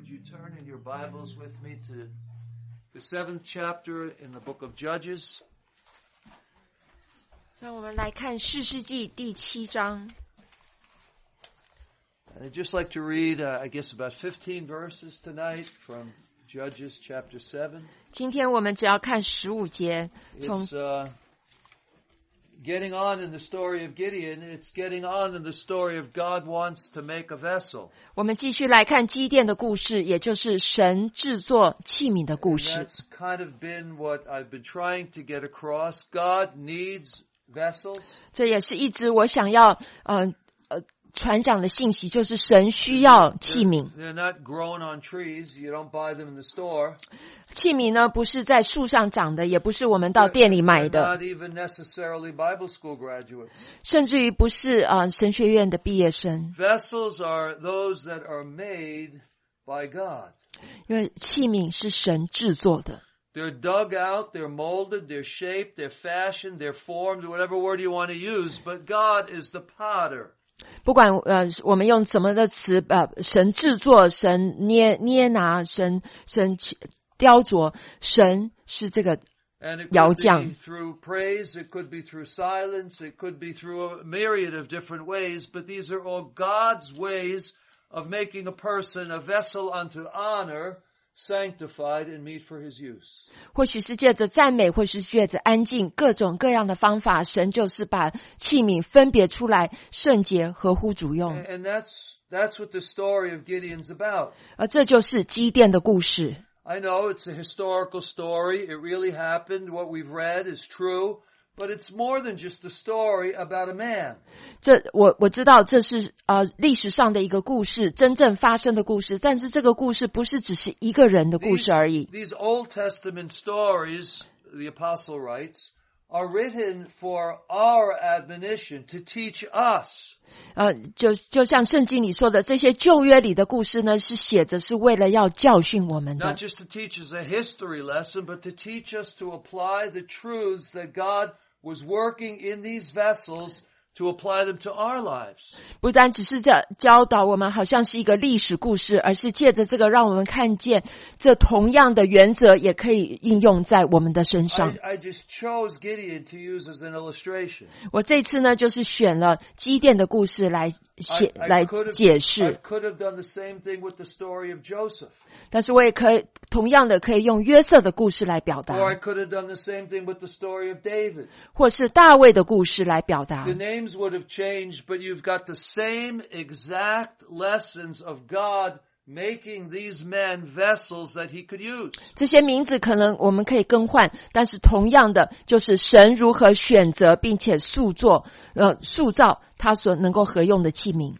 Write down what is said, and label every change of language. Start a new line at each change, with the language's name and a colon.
English: Turn in your Bibles with me to the 7th chapter in the book of Judges.
Chinese: 让我们来看士师记第七章。
English: I'd just like to read, I guess, about 15 verses tonight from Judges chapter 7.
Chinese: 今天我们只要看十五节。
English: It's getting on in the story of Gideon. It's getting on in the story of God wants to make a vessel.
Chinese: 我们继续来看基甸的故事，也就是神制作器皿的故事。
English: That's kind of been what I've been trying to get across. God needs vessels.
Chinese: 这也是一直我想要传讲的信息，就是神需要器皿。
English: They're not grown on trees. You don't buy them in the store.
Chinese: 器皿呢，不是在树上长的，也不是我们到店里买的。
English: Not even necessarily Bible school graduates.
Chinese: 甚至于不是神学院的毕业生。
English: Vessels are those that are made by God.
Chinese: 因为器皿是神制作的。
English: They're dug out, they're molded, they're shaped, they're fashioned, they're formed, whatever word you want to use. But God is the potter.
Chinese: 不管我们用什么的词神制作神捏拿神雕琢神是这个窑匠。
English: It could be through praise, it could be through silence, it could be through a myriad of different ways, but these are all God's ways of making a person a vessel unto honor. Sanctified and meet for his use.
Chinese: 或许是借着赞美，或是借着安静，各种各样的方法，神就是把器皿分别出来，圣洁合乎主用。
English: And that's what the story of Gideon's about.
Chinese: 而这就是基甸的故事。
English: I know it's a historical story. It really happened. What we've read is true. But it's more than just a story about a man.
Chinese: 这我知道这是历史上的一个故事，真正发生的故事。但是这个故事不是只是一个人的故事而已。
English: These Old Testament stories, the apostle writes, are written for our admonition to teach us.
Chinese: 就像圣经里说的，这些旧约里的故事呢，是写着是为了要教训我们的。
English: Not just to teach us a history lesson, but to teach us to apply the truths that Godwas working in these vessels to apply them to our lives.
Chinese: 不单只是教导我们好像是一个历史故事，而是借着这个让我们看见这同样的原则也可以应用在我们的身上。
English: I just chose Gideon to use as an illustration.
Chinese: 我这次呢就是选了基甸的故事来解释。
English: I could have done the same thing with the story of Joseph.
Chinese: 但是我也可以同样的可以用约瑟的故事来表达。
English: Or I could have done the same thing with the story of David.
Chinese: 或是大卫的故事来表达。
English: The names would have changed, but you've got the same exact lessons of God making these men vessels that he could use.
Chinese: 这些名字可能我们可以更换，但是同样的就是神如何选择并且塑造他所能够合用的器皿。